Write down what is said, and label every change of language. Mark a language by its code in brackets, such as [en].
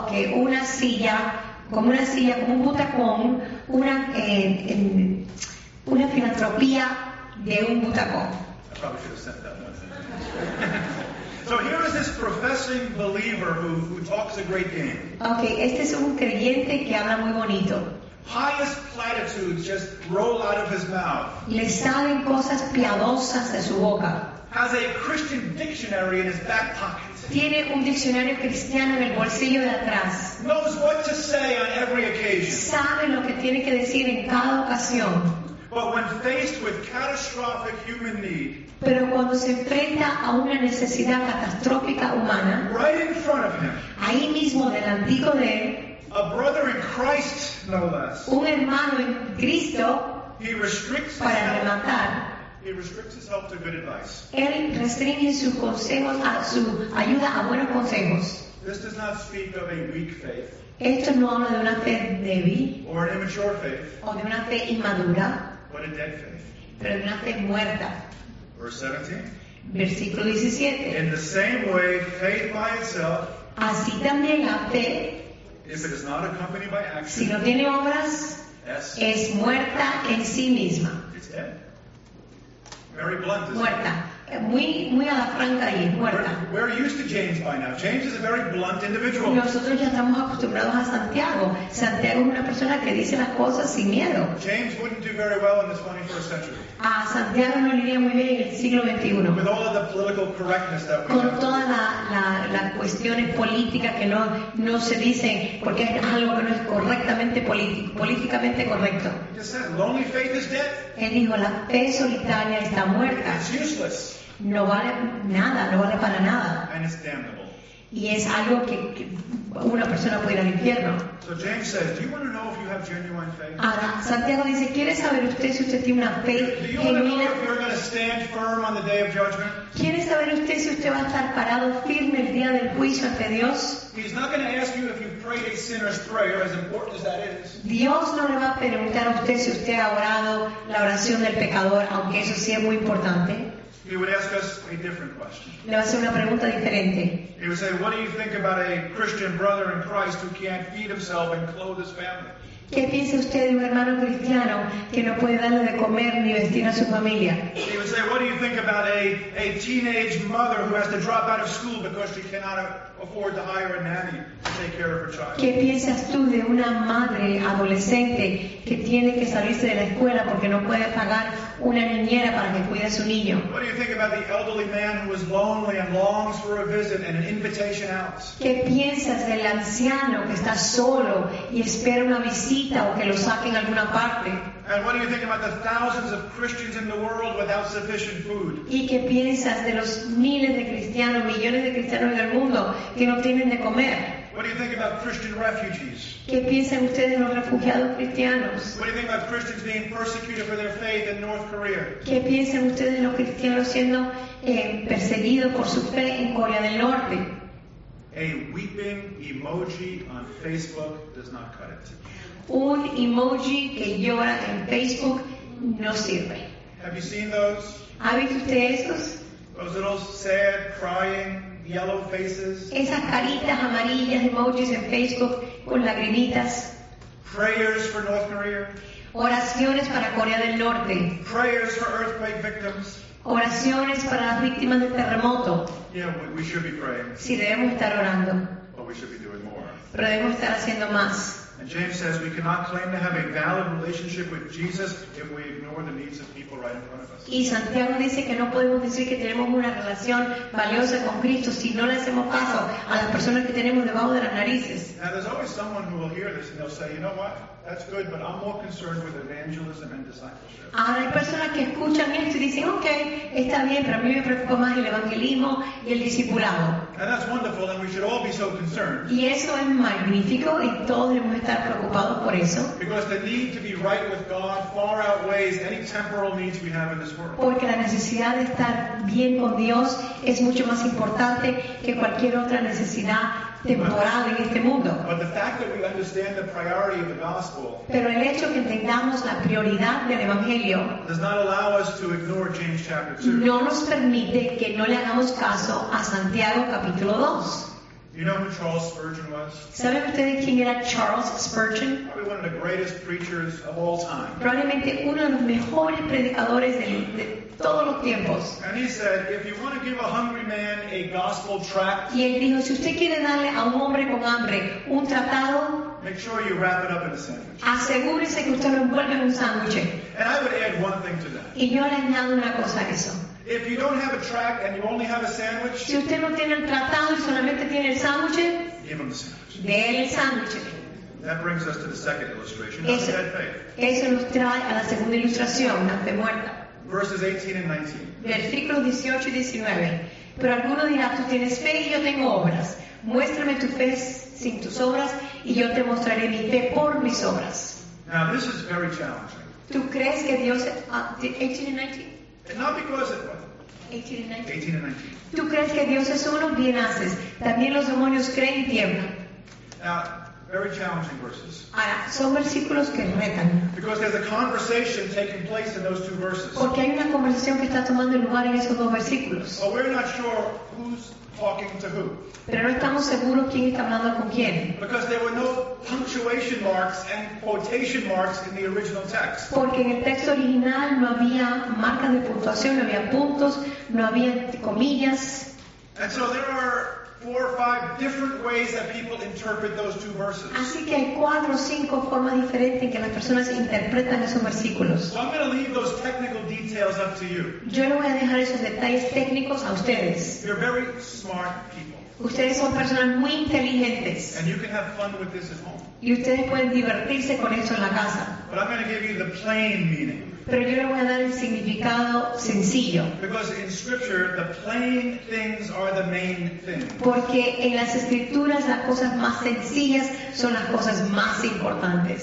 [es] Okay, una silla como una silla como un butacón, una filantropía de un butacón. [en] So here is this professing believer who talks a great game. [es] Okay, este es un creyente que habla muy bonito. [en] Highest platitudes just roll out of his mouth. [es] Le salen cosas piadosas de su boca. [en] Has a Christian dictionary in his back pocket. [es] Tiene un diccionario cristiano en el bolsillo de atrás. [en] Knows what to say on every occasion. [es] Sabe lo que tiene que decir en cada ocasión. [en] But when faced with catastrophic human need, [es] pero cuando se enfrenta a una necesidad catastrófica humana, [en] right in front of him, [es] ahí mismo delantico de él, [en] a brother in Christ, no less, [es] un hermano en Cristo, [en] he restricts [es] para rematar, [en] he restricts his help to good advice. [es] Él restringe sus consejos a su ayuda a buenos consejos. [en] This does not speak of a weak faith. [es] Esto no habla de una fe débil, [en] or an immature faith, [es] o de una fe inmadura, [en] but a dead faith, [es] pero de una fe muerta. [en] Verse 17. [es] Versículo 17. [en] In the same way, faith by itself, [es] así también la fe, [en] if it is not accompanied by action, [es] si no tiene obras, es muerta en sí misma. [en] It's dead. Very blunt. [es] Muerta. Muy a la franca ahí, muerta. [en] We're used to James by now. James is a very blunt individual. [es] Nosotros ya estamos acostumbrados a Santiago. Santiago es una persona que dice las cosas sin miedo. [en] James wouldn't do very well in the 21st century. [es] A Santiago no le iría muy bien en el siglo XXI. [en] With all of the political correctness that we [es] con [en] have. [es] Toda la cuestiones políticas que no se dicen porque es algo que no es correctamente políticamente correcto. [en] Lonely faith is dead. [es] Él dijo, la fe solitaria está muerta. [en] It's useless. [es] No vale nada, no vale para nada. [en] And it's damnable. [es] Y es algo que una persona puede ir al infierno. [en] So James says, do you want to know if you have genuine faith? [es] Ahora, Santiago dice, ¿quiere saber usted si usted tiene una fe genuina? [en] Do you want to know if you're going to stand firm on the day of judgment? [es] ¿Quiere saber usted si usted va a estar parado firme el día del juicio ante Dios? [en] He's not going to ask you if you've prayed a sinner's prayer, as important as that is. [es] Dios no le va a preguntar a usted si usted ha orado la oración del pecador, aunque eso sí es muy importante. [en] He would ask us a different question. [es] Le va a hacer una pregunta diferente. [en] He would say, what do you think about a Christian brother in Christ who can't feed himself and clothe his family? [es] ¿Qué piensa usted de un hermano cristiano que no puede darle de comer ni vestir a su familia? [en] He would say, what do you think about a teenage mother who has to drop out of school because she cannot afford to hire a nanny to take care of her child? [es] ¿Qué piensas tú de una madre adolescente que tiene que salirse de la escuela porque no puede pagar una niñera para que cuide a su niño? [en] What do you think about the elderly man who is lonely and longs for a visit and an invitation out? [es] ¿Qué piensas del anciano que está solo y espera una visita o que lo saquen a alguna parte? [en] And what do you think about the thousands of Christians in the world without sufficient food? [es] ¿Y qué piensas de los miles de cristianos, millones de cristianos en el mundo que no tienen de comer? [en] What do you think about Christian refugees? [es] ¿Qué piensan ustedes de los refugiados cristianos? [en] What do you think about Christians being persecuted for their faith in North Korea? [es] ¿Qué piensan ustedes de los cristianos siendo perseguidos por su fe en Corea del Norte? [en] A weeping emoji on Facebook does not cut it. [es] Un emoji que llora en Facebook no sirve. [en] Have you seen those? [es] ¿Ha visto usted esos? [en] Those little sad, crying, yellow faces. [es] Esas caritas amarillas, emojis en Facebook con lagrimitas. [en] Prayers for North Korea. [es] Oraciones para Corea del Norte. [en] Prayers for earthquake victims. [es] Oraciones para las víctimas del terremoto. [en] Yeah, we should be praying. [es] Sí, debemos estar orando. [en] But we should be doing more. [es] Pero debemos estar haciendo más. [en] And James says we cannot claim to have a valid relationship with Jesus if we ignore the needs of people right in front of us. [es] Y Santiago dice que no podemos decir que tenemos una relación valiosa con Cristo si no le hacemos caso a las personas que tenemos debajo de las narices. [en] Now there's always someone who will hear this and they'll say, you know what? That's good, but I'm more concerned with evangelism and discipleship. [es] Ahora hay personas que escuchan esto y dicen, okay, está bien, pero a mí me preocupa más el evangelismo y el discipulado. [en] And that's wonderful, and we should all be so concerned. [es] Y eso es magnífico, y todos debemos estar preocupados por eso. [en] Because the need to be right with God far outweighs any temporal needs we have in this world. [es] Porque la necesidad de estar bien con Dios es mucho más importante que cualquier otra necesidad temporal en este mundo. [en] But the fact that we understand the priority of the gospel, [es] pero el hecho que entendamos la prioridad del evangelio, [en] does not allow us to ignore James chapter 2. [es] No nos permite que no le hagamos caso a Santiago capítulo 2. [en] You know who Charles Spurgeon was? [es] ¿Saben ustedes quién era Charles Spurgeon? [en] Probably one of the greatest preachers of all time. [es] Probablemente uno de los mejores predicadores de todos los tiempos. [en] And he said, if you want to give a hungry man a gospel tract, [es] y él dijo, si usted quiere darle a un hombre con hambre un tratado, [en] make sure you wrap it up in a sandwich. [es] Asegúrese que usted lo envuelve en un sándwich. [en] And I would add one thing to that. [es] Y yo le añado una cosa a eso. [en] If you don't have a tract and you only have a sandwich, [es] si usted no tiene el tratado y solamente tiene el sándwich, [en] give him the sandwich. [es] Dele el sándwich. [en] That brings us to the second illustration, not eso, dead faith. [es] Eso nos trae a la segunda ilustración, la fe muerta. [en] Verses 18 and 19. [es] Versículos 18 y 19. Pero alguno dirá, tú tienes fe y yo tengo obras. Muéstrame tu fe sin tus obras y yo te mostraré mi fe por mis obras. [en] Now this is very challenging. [es] ¿Tú crees que Dios... [en] 18 and 19? Not because it was 18 and 19. [es] ¿Tú crees que Dios es uno? Bien haces. También los demonios creen y tiemblan. [en] Now, very challenging verses. [es] Ahora, son versículos que retan. [en] Because there's a conversation taking place in those two verses. [es] Porque hay una conversación que está tomando lugar en esos dos versículos. [en] But we're not sure who's talking to who. [es] Pero no estamos seguros quién está hablando con quién. [en] Because there were no punctuation marks and quotation marks in the original text. [es] Porque en el texto original no había marcas de puntuación, no había puntos, no había comillas. [en] And so there are four or five different ways that people interpret those two verses. [es] Así que hay cuatro o cinco formas diferentes en que las personas interpretan esos versículos. [en] So I'm going to leave those technical details up to you. [es] Yo le voy a dejar esos detalles técnicos a ustedes. [en] You're very smart people. [es] Ustedes son personas muy inteligentes. [en] And you can have fun with this at home. [es] Y ustedes pueden divertirse con eso en la casa. [en] But I'm going to give you the plain meaning. [es] Pero yo le voy a dar el significado sencillo. [en] Because in scripture, the plain things are the main thing. [es] Porque en las escrituras las cosas más sencillas son las cosas más importantes.